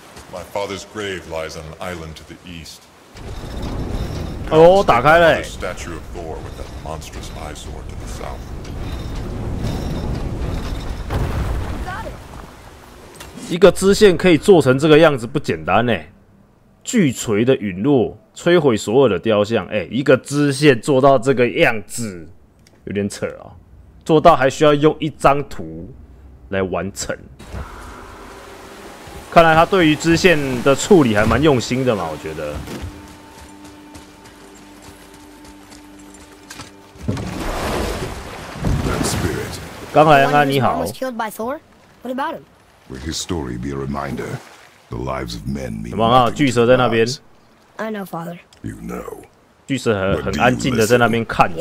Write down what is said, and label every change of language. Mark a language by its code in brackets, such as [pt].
[en] My father's grave lies on an island to the east. [zh] 哦，打开了。 [en] Statue of Thor with that monstrous eyesore to the south. [zh] 一个支线可以做成这个样子不简单呢、欸！巨锤的陨落摧毁所有的雕像，哎、欸，一个支线做到这个样子，有点扯啊、哦！做到还需要用一张图来完成，看来他对于支线的处理还蛮用心的嘛，我觉得。刚来安安你好。 [en] Will his story be a reminder? The lives of men mean. [zh] 什么啊？巨蛇在那边。 [en] I know, Father. You know. [zh] 巨蛇很安静的在那边看着。